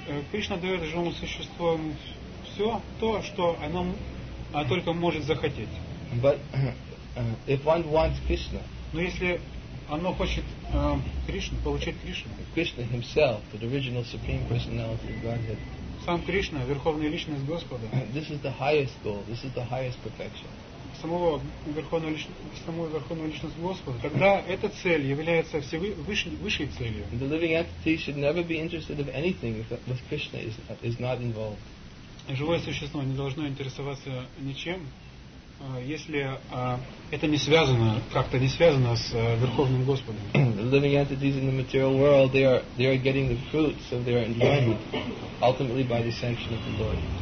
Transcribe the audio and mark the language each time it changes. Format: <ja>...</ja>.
<ru>Кришна дает живому существу все то, что оно только может захотеть.</ru> <en>But if one wants Krishna,</en> <ru>но если оно хочет Кришну, получить Кришну,</ru> <en>Krishna himself, the original supreme personality of Godhead,</en> <ru>сам Кришна, верховная личность Господа,</ru> <en>this is the highest goal, this is the highest perfection.</en> <ru>Самую верховную личность Господа, тогда эта цель является высшей целью.</ru> <en>The living entity should never be interested in anything if Krishna is not involved.</en> <ru>Живое существо не должно интересоваться ничем, если это не связано, как-то не связано с Верховным Господом.</ru> <en>The living entities in the material world, they are getting the fruits of their enjoyment ultimately by the sanction of the Lord.</en>